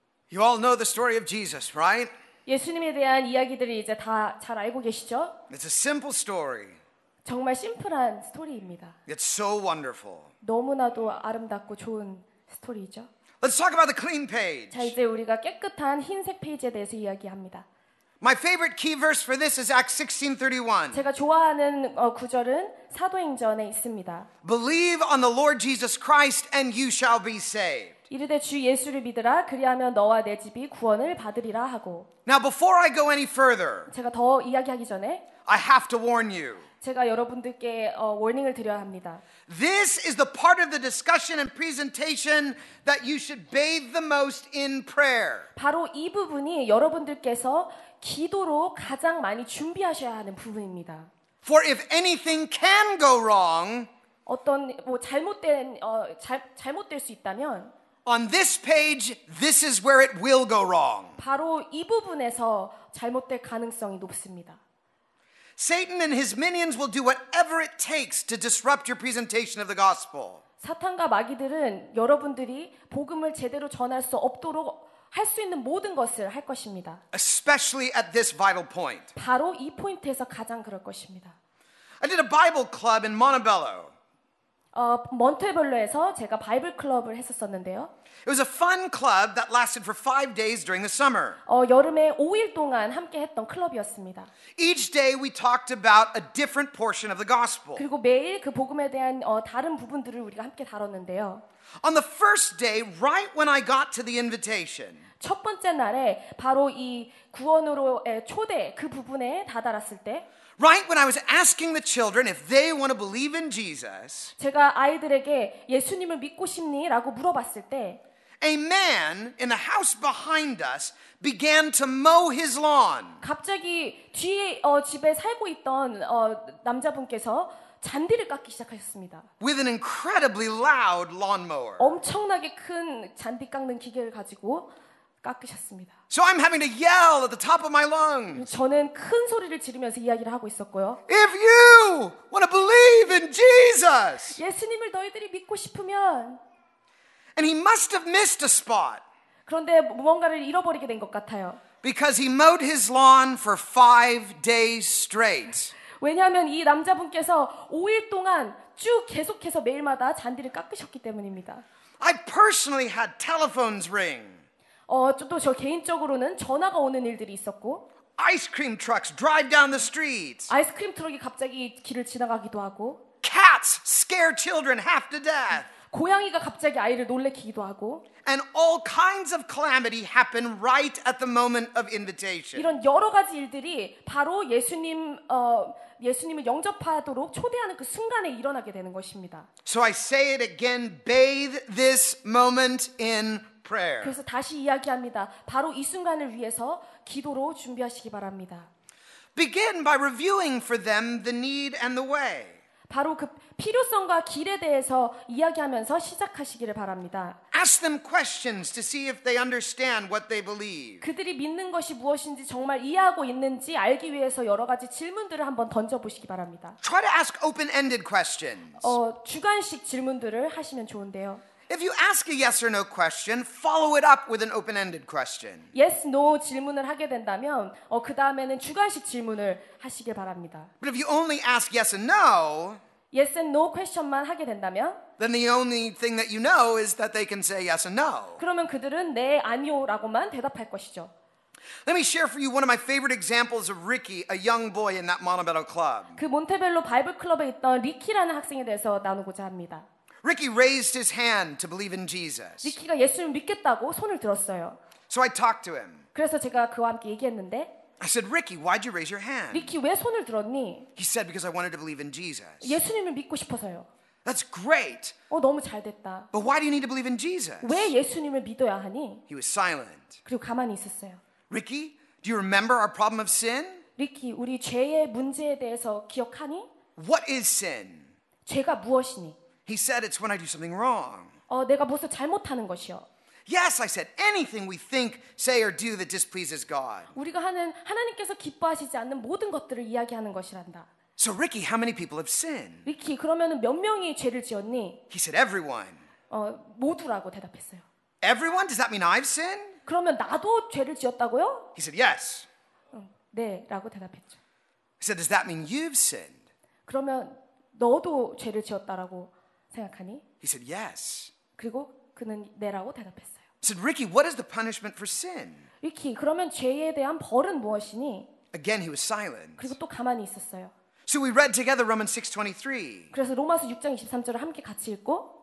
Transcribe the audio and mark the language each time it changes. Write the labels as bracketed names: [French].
[English] You all know the story of Jesus, right? [Korean] 예수님에 대한 이야기들을 이제 다 잘 알고 계시죠? [English] It's a simple story. [Korean] 정말 심플한 스토리입니다. [English] It's so wonderful. [Korean] 너무나도 아름답고 좋은 스토리죠. [English] Let's talk about the clean page. [Korean] 자, 이제 우리가 깨끗한 흰색 페이지에 대해서 이야기합니다. [English] My favorite key verse for this is Acts 16:31. [Korean] 제가 좋아하는 구절은 사도행전에 있습니다. [English] Believe on the Lord Jesus Christ and you shall be saved. [Korean] 이르되 주 예수를 믿으라 그리하면 너와 내 집이 구원을 받으리라 하고 [English] Now before I go any further [Korean] 제가 더 이야기하기 전에 [English] I have to warn you [Korean] 제가 여러분들께 워닝을 드려야 합니다. [English] This is the part of the discussion and presentation that you should bathe the most in prayer. [Korean] 바로 이 부분이 여러분들께서 기도로 가장 많이 준비하셔야 하는 부분입니다. [English] For if anything can go wrong, [Korean] 어떤 뭐 잘못된 잘못될 수 있다면 [English] On this page, this is where it will go wrong. [Korean] 바로 이 부분에서 잘못될 가능성이 높습니다. [English] Satan and his minions will do whatever it takes to disrupt your presentation of the gospel. [Korean] 사탄과 마귀들은 여러분들이 복음을 제대로 전할 수 없도록 할 수 있는 모든 것을 할 것입니다. [English] Especially at this vital point. [Korean] 바로 이 포인트에서 가장 그럴 것입니다. [English] I did a Bible club in Montebello. [Korean] 몬테벨로에서 제가 바이블 클럽을 했었었는데요. [English] It was a fun club that lasted for 5 days during the summer. [Korean] 여름에 5일 동안 함께 했던 클럽이었습니다. [English] Each day we talked about a different portion of the gospel. [Korean] 그리고 매일 그 복음에 대한 다른 부분들을 우리가 함께 다뤘는데요. [English] On the first day, right when I got to the invitation. [Korean] 첫 번째 날에 바로 이 구원으로의 초대 그 부분에 다다랐을 때 [English] Right when I was asking the children if they want to believe in Jesus, [Korean] 제가 아이들에게 예수님을 믿고 싶니?라고 물어봤을 때, [English] a man in the house behind us began to mow his lawn. [Korean] 갑자기 뒤에 집에 살고 있던 남자분께서 잔디를 깎기 시작하셨습니다. [English] With an incredibly loud lawnmower. [Korean] 엄청나게 큰 잔디 깎는 기계를 가지고. 깎으셨습니다. [English] So I'm having to yell at the top of my lungs. [Korean] 저는 큰 소리를 지르면서 이야기를 하고 있었고요. [English] If you want to believe in Jesus. [Korean] 예수님을 너희들이 믿고 싶으면. [English] And he must have missed a spot. [Korean] 그런데 무언가를 잃어버리게 된 것 같아요. [English] Because he mowed his lawn for 5 days straight. [Korean] 왜냐하면 이 남자분께서 5일 동안 쭉 계속해서 매일마다 잔디를 깎으셨기 때문입니다. [English] I personally had telephones ring. [Korean] 또 저 개인적으로는 전화가 오는 일들이 있었고 아이스크림 트럭스 [English] drive down the streets [Korean] 아이스크림 트럭이 갑자기 길을 지나가기도 하고 [English] cats scare children half to death [Korean] 고양이가 갑자기 아이를 놀래키기도 하고 [English] and all kinds of calamity happen right at the moment of invitation [Korean] 이런 여러 가지 일들이 바로 예수님을 영접하도록 초대하는 그 순간에 일어나게 되는 것입니다. [English] So I say it again bathe this moment in Prayer. [Korean] 그래서 다시 이야기합니다. 바로 이 순간을 위해서 기도로 준비하시기 바랍니다. [English] Begin by reviewing for them the need and the way. [Korean] 바로 그 필요성과 길에 대해서 이야기하면서 시작하시기를 바랍니다. [English] Ask them questions to see if they understand what they believe. [Korean] 그들이 믿는 것이 무엇인지 정말 이해하고 있는지 알기 위해서 여러 가지 질문들을 한번 던져보시기 바랍니다. [English] Try to ask open-ended questions. [Korean] 주관식 질문들을 하시면 좋은데요. [English] If you ask a yes or no question, follow it up with an open-ended question. Yes, no [Korean] 질문을 하게 된다면 그 다음에는 주관식 질문을 하시길 바랍니다. [English] But if you only ask yes and no, yes and no question [Korean] 만 하게 된다면 [English] then the only thing that you know is that they can say yes and no. [Korean] 그러면 그들은 네, 아니요라고만 대답할 것이죠. [English] Let me share for you one of my favorite examples of Ricky, a young boy in that Montebello club. [Korean] 그 몬테벨로 바이블 클럽에 있던 리키라는 학생에 대해서 나누고자 합니다. [English] Ricky raised his hand to believe in Jesus. [Korean] 리키가 예수님 믿겠다고 손을 들었어요. [English] So I talked to him. [Korean] 그래서 제가 그와 함께 얘기했는데 [English] I said, "Ricky, why'd you raise your hand?" [Korean] 리키 왜 손을 들었니? [English] He said because I wanted to believe in Jesus. [Korean] 예수님을 믿고 싶어서요. [English] That's great. [Korean] 너무 잘 됐다. [English] But why do you need to believe in Jesus? [Korean] 왜 예수님을 믿어야 하니? [English] He was silent. [Korean] 그리고 가만히 있었어요. [English] Ricky, do you remember our problem of sin? [Korean] 리키, 우리 죄의 문제에 대해서 기억하니? [English] What is sin? [Korean] 죄가 무엇이니? [English] He said, "It's when I do something wrong." [Korean] 내가 무엇을 잘못하는 것이요. [English] Yes, I said, "Anything we think, say, or do that displeases God." [Korean] 우리가 하는 하나님께서 기뻐하시지 않는 모든 것들을 이야기하는 것이란다. [English] So, Ricky, how many people have sinned? [Korean] 리키, 그러면 몇 명이 죄를 지었니? [English] He said, "Everyone." [Korean] 모두라고 대답했어요. [English] Everyone? Does that mean I've sinned? [Korean] 그러면 나도 죄를 지었다고요? [English] He said, "Yes." [Korean] 네,라고 대답했죠. [English] He said, "Does that mean you've sinned?" [Korean] 그러면 너도 죄를 지었다라고. 생각하니? [English] He said yes. [Korean] 그리고 그는 네라고 대답했어요. [English] He said, "Ricky, what is the punishment for sin?" [Korean] 리키, 그러면 죄에 대한 벌은 무엇이니? [English] Again, he was silent. [Korean] 그리고 또 가만히 있었어요. [English] So we read together Romans 6:23. [Korean] 그래서 로마서 6장 23절을 함께 같이 읽고